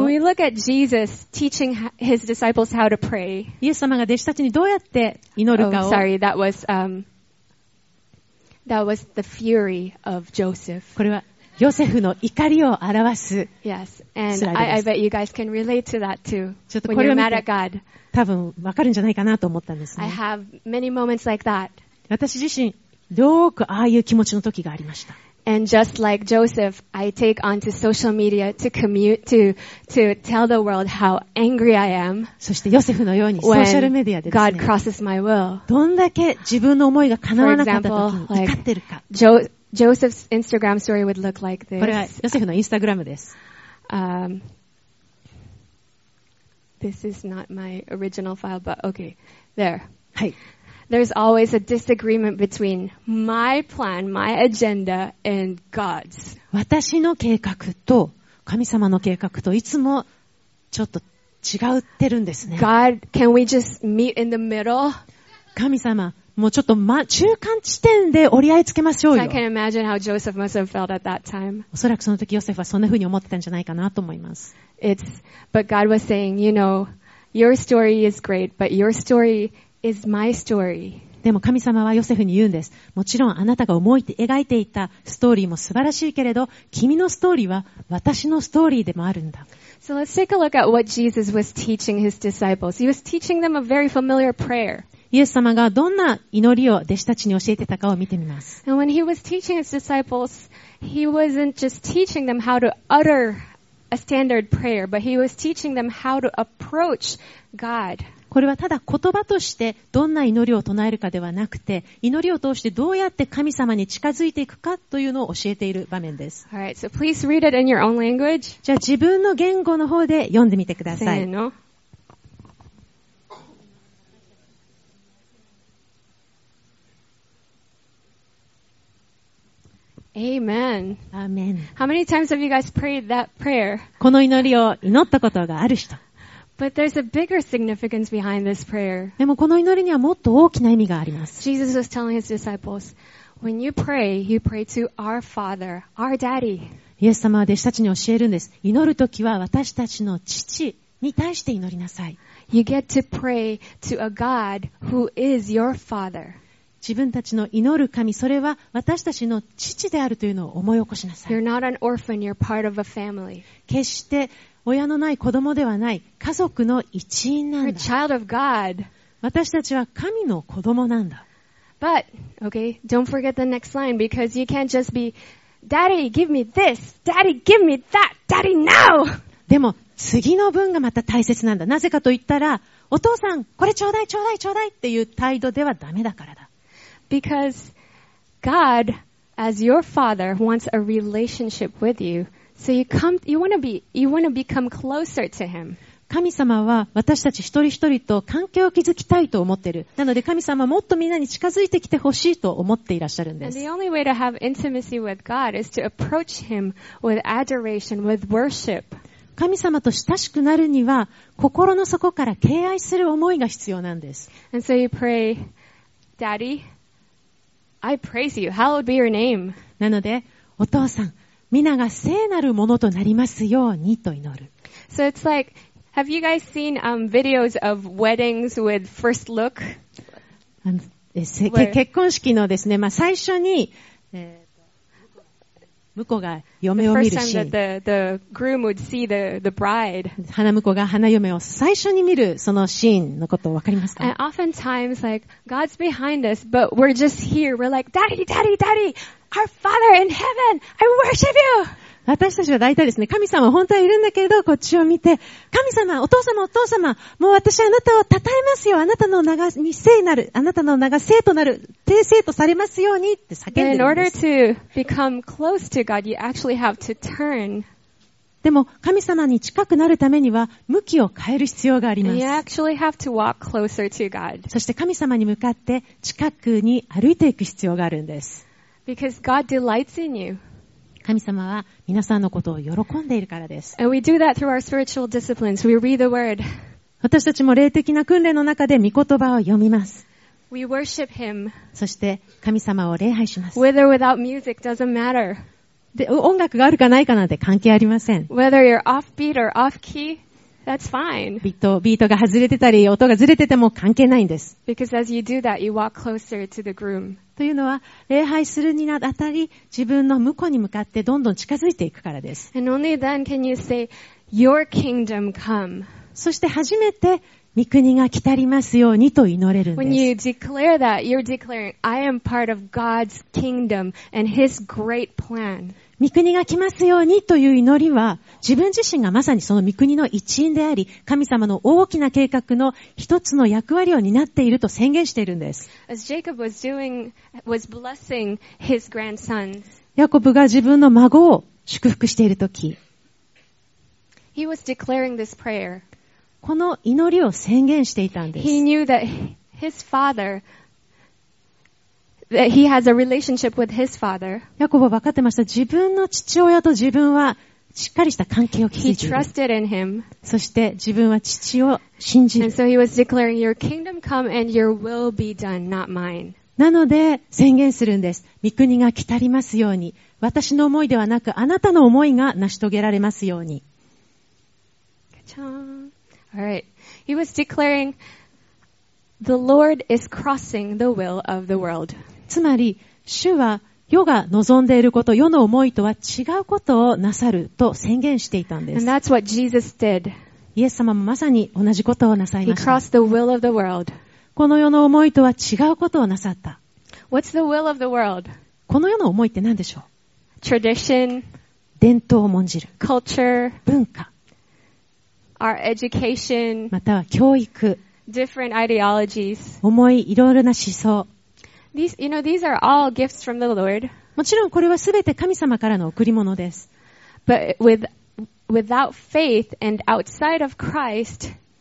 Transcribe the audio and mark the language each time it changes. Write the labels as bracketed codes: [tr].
[en] When we look at Jesus teaching his disciples how to pray, [ja] イエス様が弟子たちにどうやって祈るかを。 [en] Oh, sorry, that was the fury of Joseph. [ja] これはヨセフの怒りを表す。 [en] Yes, and I bet you guys can relate to that too. [ja] ちょっとこれを見て、多分わかるんじゃないかなと思ったんですね。 [en] I have many moments like that. [ja] 私自身、よくああいう気持ちの時がありました。 [en] And just like Joseph, I take onto social media to commute to tell the world how angry I am. [ja] そしてヨセフのようにソーシャルメディアでですね。 [en] God crosses my will. [ja] どんだけ自分の思いが叶わなかった時に怒ってるか。 [en] Joseph's Instagram story would look like this. [ja] これはヨセフのインスタグラムです。 [en] This is not my original file, but okay. There. [ja] はい。 [en] There's always a disagreement between my plan, my agenda, and God's. [ja] 私の計画と神様の計画といつもちょっと違ってるんですね。 [en] God, can we just meet in the middle? [ja] 神様。もうちょっと、中間地点で折り合いつけましょうよ。 [en] I can imagine how Joseph must have felt at that time. [ja] おそらくその時ヨセフはそんな風に思ってたんじゃないかなと思います。 [en] It's, but God was saying, you know, your story is great, but your story is my story. [ja] でも神様はヨセフに言うんです。もちろんあなたが思い描いていたストーリーも素晴らしいけれど、君のストーリーは私のストーリーでもあるんだ。 [en] So let's take a look at what Jesus was teaching his disciples. He was teaching them a very familiar prayer. [ja] イエス様がどんな祈りを弟子たちに教えてたかを見てみます。 [en] And when he was teaching his disciples, he wasn't just teaching them how to utter a standard prayer, but he was teaching them how to approach God. [ja] これはただ言葉としてどんな祈りを唱えるかではなくて、祈りを通してどうやって神様に近づいていくかというのを教えている場面です。 [en] All right, so please read it in your own language. [ja] じゃあ自分の言語の方で読んでみてください。せーの。 [en] Amen. Amen. How many times have you guys prayed that prayer? [ja] この祈りを祈ったことがある人。 [en] But there's a bigger significance behind this prayer. [ja] でもこの祈りにはもっと大きな意味があります。 [en] Jesus was telling his disciples, when you pray to our Father, our Daddy. [ja] イエス様は弟子たちに教えるんです。祈るときは私たちの父に対して祈りなさい。 [en] You get to pray to a God who is your Father. [ja] 自分たちの祈る神、それは私たちの父であるというのを思い起こしなさい。 [en] You're not an orphan, you're part of a family. [ja] 決して親のない子供ではない、家族の一員なんだ。 [en] You're a child of God. [ja] 私たちは神の子供なんだ。 [en] But, okay, don't forget the next line, because you can't just be, Daddy, give me this! Daddy, give me that! Daddy, now! [ja] でも、次の文がまた大切なんだ。なぜかと言ったら、お父さん、これちょうだいちょうだいちょうだいっていう態度ではダメだからだ。 [en] Because God, as your Father, wants a relationship with you, so you want to become closer to Him. [ja] 神様は私たち一人一人と関係を築きたいと思っている。なので神様はもっとみんなに近づいてきてほしいと思っていらっしゃるんです。 [en] And the only way to have intimacy with God is to approach Him with adoration, with worship. [ja] 神様と親しくなるには心の底から敬愛する思いが必要なんです。 [en] And so you pray, Daddy. I praise you. Hallowed be your name. [ja] なので、お父さん、皆が聖なるものとなりますようにと祈る。 [en] So it's like, have you guys seen, videos of weddings with first look? [ja] 結婚式のですね、まあ、最初に、婿が嫁を見るシーン。 [en] The groom would see the bride. [ja] 花婿が花嫁を最初に見るそのシーンのことを分かりますか？ [en] And oftentimes, like, God's behind us, but we're just here. We're like, Daddy, Daddy, Daddy, our Father in heaven, I worship you! [ja] 私たちは大体ですね、神様本当はいるんだけれど、こっちを見て、神様、お父様、お父様、もう私はあなたを讃えますよ、あなたの名が聖なる、あなたの名が聖となる、聖聖とされますようにって叫んでるんです。 [en] In order to become close to God, you actually have to turn. [ja] でも、神様に近くなるためには、向きを変える必要があります。 [en] You actually have to walk closer to God. [ja] そして神様に向かって、近くに歩いていく必要があるんです。 [en] Because God delights in you. [ja] 神様は皆さんのことを喜んでいるからです。 [en] And we do that through our spiritual disciplines. We read the word. [ja] 私たちも霊的な訓練の中で御言葉を読みます。 [en] We worship him. [ja] そして神様を礼拝します。 [en] Whether without music doesn't matter. [ja] で、音楽があるかないかなんて関係ありません。 [en] Whether you're off beat or off key, that's fine. [ja] ビートが外れてたり音がずれてても関係ないんです。 [en] Because as you do that, you walk closer to the groom. [ja] というのは礼拝するにあたり自分の婿に向かってどんどん近づいていくからです。 [en] And only then can you say, Your kingdom come. [ja] そして初めて御国が来たりますようにと祈れるんです。 [en] When you declare that, you're declaring, I am part of God's kingdom and His great plan. [ja] 御国が来ますようにという祈りは自分自身がまさにその御国の一員であり神様の大きな計画の一つの役割を担っていると宣言しているんです。 [en] As Jacob was blessing his grandsons, [ja] ヤコブが自分の孫を祝福しているとき [en] He was declaring this prayer. [ja] この祈りを宣言していたんです。 [en] He knew that his fatherThat he has a relationship with his father. [ja] ヤコブは分かってました。自分の父親と自分はしっかりした関係を築いている。 [en] He trusted in him. [ja] そして自分は父を信じる。 [en] And so he was declaring, "Your kingdom come, and your will be done, not mine." [ja] なので宣言するんです。御国が来たりますように、私の思いではなくあなたの思いが成し遂げられますように。 [en] カチャーン。All right. He was declaring. The Lord is crossing the will of the world. [ja] つまり、主は世が望んでいること、世の思いとは違うことをなさると宣言していたんです。 [en] And that's what Jesus did. [ja] イエス様もまさに同じことをなさいました。 [en] He crossed the will of the world. [ja] この世の思いとは違うことをなさった。 [en] What's the will of the world? [ja] この世の思いって何でしょう? [en] Tradition. [ja] 伝統を重んじる。 [en] Culture. [ja] 文化。 [en] Our education. [ja] または教育。 [en] Different ideologies. [ja] 思い、いろいろな思想。 [en] These, you know, these are all gifts from the Lord. [ja] もちろんこれはすべて神様からの贈り物です。 [en] But without faith and outside of Christ,